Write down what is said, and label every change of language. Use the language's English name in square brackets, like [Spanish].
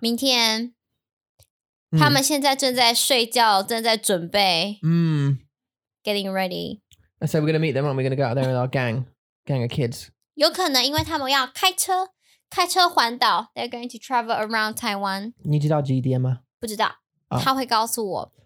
[Chinese] 明天，他们现在正在睡觉，正在准备。 [English] Getting ready. I said we're gonna meet them, aren't we? We're gonna go out there with our gang of kids. [Chinese] 有可能因为他们要开车，开车环岛 [English] They're going to travel around Taiwan [Chinese] 你知道几点吗不知道、oh. 他会告诉我、